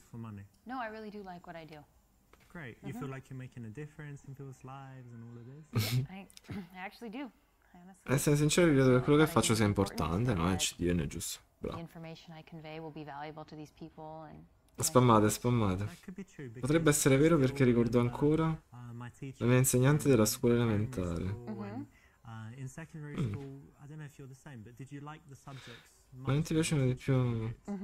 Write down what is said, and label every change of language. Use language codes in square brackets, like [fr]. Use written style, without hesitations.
[en] No, I really do like what I do. Great, you feel like you're making a difference in people's lives and all of this? I actually do. [it] Essere sincero, credo che quello che faccio sia importante, no? CDN è giusto. [en] Bravo. The information I convey will be valuable to these people and... [it] Spammate, spammate. Potrebbe essere vero perché ricordo ancora la mia insegnante della scuola elementare. Ma non ti piacciono di più?